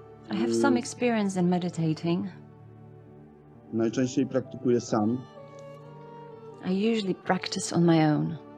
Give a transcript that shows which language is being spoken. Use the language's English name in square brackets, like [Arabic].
[English] I have some experience in meditating. [Polish] Najczęściej praktykuję sam. [English] I usually practice on my own.